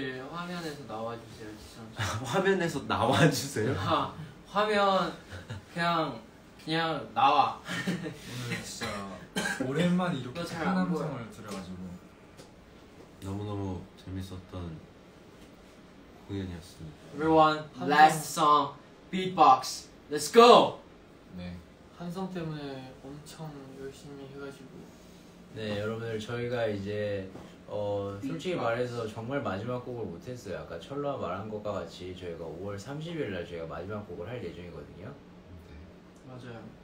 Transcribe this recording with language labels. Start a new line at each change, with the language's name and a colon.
Korean: 화면에서 나와주세요, 진짜. 화면에서 나와주세요. 아, 화면 그냥 나와. 오늘 진짜 오랜만 이렇게 큰 함성을 들어가지고 너무 재밌었던. 우연이었습니다.
English: Everyone, last song, beatbox, let's go.
Korean: 네. 한성 때문에 엄청 열심히 해가지고. 네, 여러분들 저희가 이제 솔직히 말해서 정말 마지막 곡을 못했어요. 아까 철로가 말한 것과 같이 저희가 5월 30일 날 저희가 마지막 곡을 할 예정이거든요. 네. 맞아요.